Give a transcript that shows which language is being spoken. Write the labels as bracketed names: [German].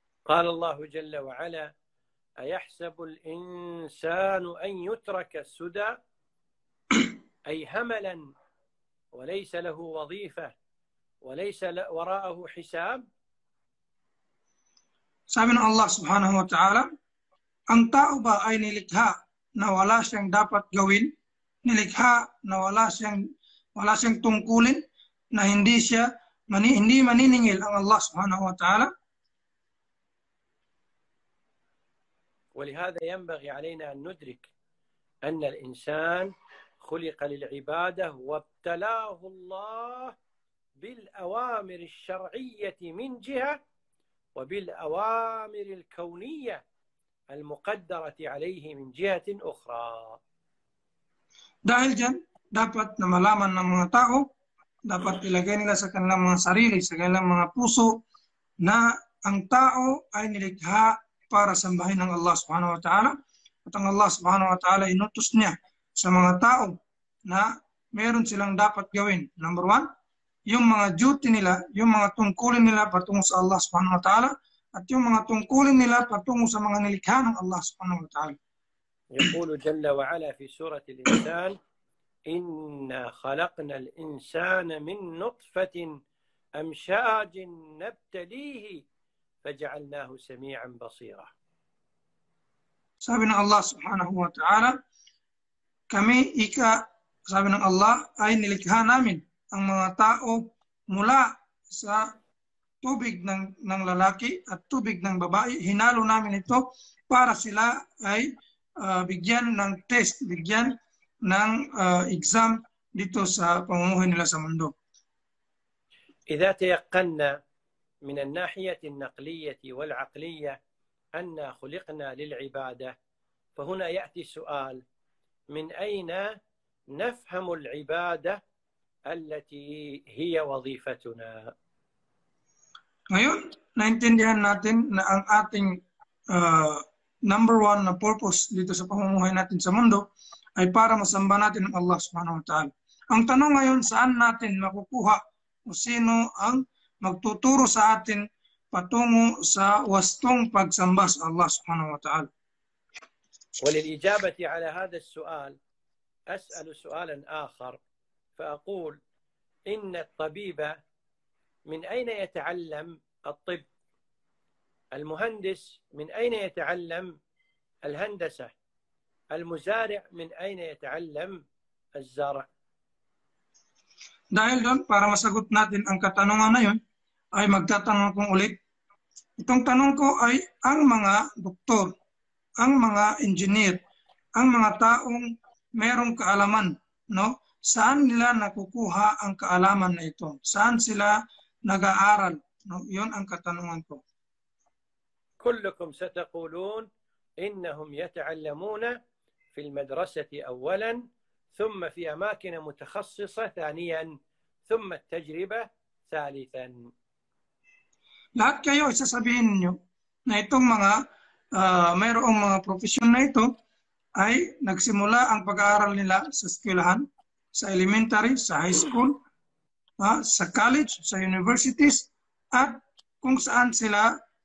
[Arabic] قال الله جل وعلا أيحسب الإنسان أن يترك سدى أي هملا وليس له وظيفة وليس وراءه حساب. [Filipino] Sabi ng Allah subhanahu wa ta'ala, ang tao ba ay nilikha na wala siyang dapat gawin, nilikha na wala siyang tungkulin, na hindi maniningil ang Allah subhanahu wa ta'ala. [Arabic] ولهذا ينبغي علينا أن ندرك أن الإنسان خلق للعبادة، وابتلاه الله بالأوامر الشرعية من جهة، وبالأوامر الكونية المقدرة عليه من جهة أخرى. [Filipino] Dahil dyan, dapat na malaman ng mga tao, dapat ilagay nila sa kanilang mga sarili, sa kanilang mga puso, na ang tao ay nilikha para sambahin ng Allah subhanahu wa ta'ala. At ang Allah subhanahu wa ta'ala inutos niya sa mga tao na meron silang dapat gawin. Number one, yung mga duty nila, yung mga tungkulin nila patungo sa Allah subhanahu wa ta'ala, at yung mga tungkulin nila patungo sa mga nilikha ng Allah subhanahu wa ta'ala. [Arabic] يقول جل وعلا في سورة الإنسان: إنا خلقنا الإنسان من نطفة أمشاج نبتليه فجعلناه سميعا بصيرا. سابنا الله سبحانه وتعالى [Filipino] kami ika sabi ng Allah ay nilikha namin ang mga tao mula sa tubig ng lalaki at tubig ng babae. Hinalo namin ito para sila ay bigyan ng test, bigyan ng exam dito sa pamumuhay nila sa mundo. [Arabic] إذا تيقنا من الناحية النقلية والعقلية أن خلقنا للعبادة، فهنا يأتي السؤال: من أين نفهم العبادة التي هي وظيفتنا؟ [Filipino] Ngayon, naintindihan natin na ang ating number one na purpose dito sa pamumuhay natin sa mundo ay para masamba natin ng Allah subhanahu wa ta'ala. Ang tanong ngayon, saan natin makukuha o sino ang magtuturo sa atin patungo sa wastong pagsamba sa Allah subhanahu wa ta'ala? [Arabic] Walil-ijabati ala hada sual, as'alu sualan akhar, faakul, inna at-tabiba, min aina yata'allam at-tib? المهندس من أين يتعلم الهندسة؟ المزارع من أين يتعلم الزرع؟ [Filipino] Dahil doon, para masagot natin ang katanungan na yun, ay magtatanong kong ulit. Itong tanong ko ay ang mga doktor, ang mga engineer, ang mga taong merong kaalaman, no? Saan nila nakukuha ang kaalaman na ito? Saan sila nag-aaral? No? Yun ang katanungan ko. [Arabic] كلكم ستقولون إنهم يتعلمون في المدرسة أولا، ثم في أماكن متخصصة ثانيا، ثم التجربة ثالثا. [Filipino] Lahat kayo isasabihin ninyo na itong mga mayroong mga profesyon na ito ay nagsimula ang pag-aaral nila sa eskwelahan, sa elementary, sa high school, sa college, sa universities, at kung saan sila